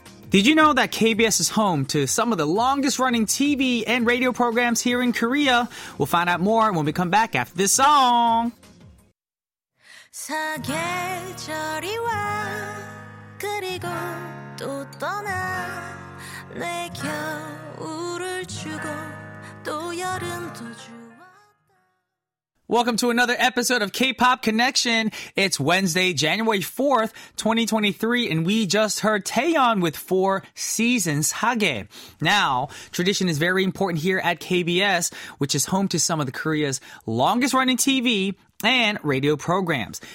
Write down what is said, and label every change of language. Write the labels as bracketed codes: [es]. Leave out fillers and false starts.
[en] Did you know that KBS is home to some of the longest-running TV and radio programs here in Korea? We'll find out more when we come back after this song. [ko] 사계절이 와 그리고 또 떠나 내 겨울을 주고 또 여름도 주. [en] Welcome to another episode of K-Pop Connection. It's Wednesday, January 4th, 2023, and we just heard Taeyeon with Four Seasons, 하게. Now, tradition is very important here at KBS, which is home to some of Korea's longest-running TV and radio programs.